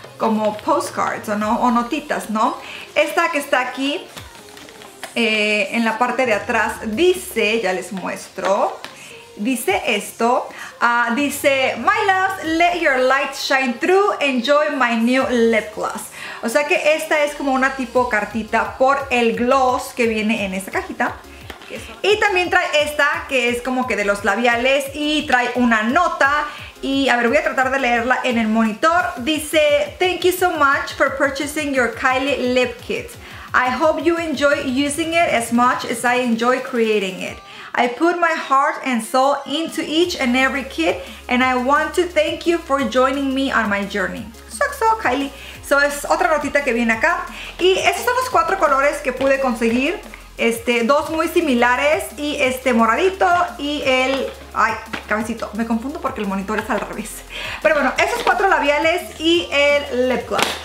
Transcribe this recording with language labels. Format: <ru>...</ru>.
<es>como postcards, ¿no? O notitas, ¿no? Esta que está aquí, en la parte de atrás, dice, ya les muestro, dice esto, dice,</es> <en>"My loves, let your light shine through, enjoy my new lip gloss."</en> <es>O sea que esta es como una tipo cartita por el gloss que viene en esta cajita. Y también trae esta, que es como que de los labiales, y trae una nota. Y a ver, voy a tratar de leerla en el monitor. Dice,</es> <en>"Thank you so much for purchasing your Kylie Lip Kit. I hope you enjoy using it as much as I enjoy creating it. I put my heart and soul into each and every kit, and I want to thank you for joining me on my journey." So, Kylie.</en> <es>So, es otra notita que viene acá. Y esos son los 4 colores que pude conseguir. Este, 2 muy similares y este moradito y el... ¡Ay! Cabecito. Me confundo porque el monitor es al revés. Pero bueno, esos 4 labiales y el lip gloss.</es>